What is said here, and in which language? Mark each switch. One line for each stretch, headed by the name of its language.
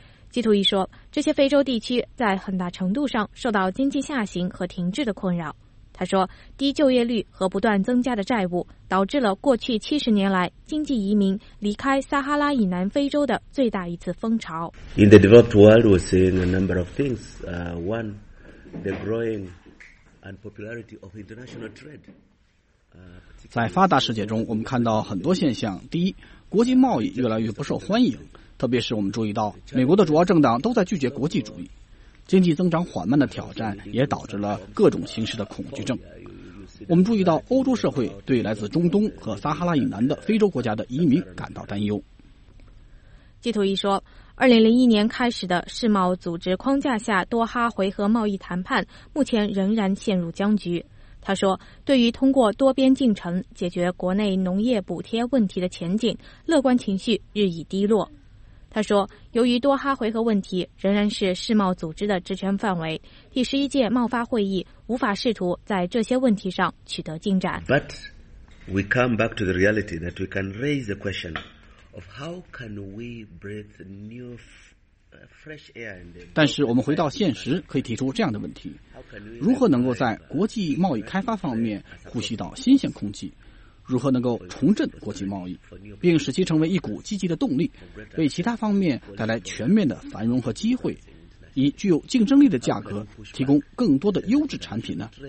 Chinese: 基图伊说，这些非洲地区在很大程度上受到经济下行和停滞的困扰。他说，低就业率和不断增加的债务导致了过去70年来经济移民离开撒哈拉以南非洲的最大一次风潮。
English: In the developed world, we're seeing a number of things. One, the growing unpopularity of international trade.
Chinese: 在发达世界中，我们看到很多现象。第一，国际贸易越来越不受欢迎，特别是我们注意到，美国的主要政党都在拒绝国际主义。经济增长缓慢的挑战也导致了各种形式的恐惧症。我们注意到欧洲社会对来自中东和撒哈拉以南的非洲国家的移民感到担忧。基图伊说，2001年开始的世贸组织框架下多哈回合贸易谈判目前仍然陷入僵局。他说，对于通过多边进程解决国内农业补贴问题的前景，乐观情绪日益低落。他说，由于多哈回合问题仍然是世贸组织的职权范围，第十一届贸发会议无法试图在这些问题上取得进展。
English: But we come back to the reality that we can raise the question of how can we breathe new fresh air.
Chinese: 但是我们回到现实，可以提出这样的问题：如何能够在国际贸易开发方面呼吸到新鲜空气？如何能够重振国际贸易，并使其成为一股积极的动力，为其他方面带来全面的繁荣和机会，以具有竞争力的价格提供更多的优质产品呢？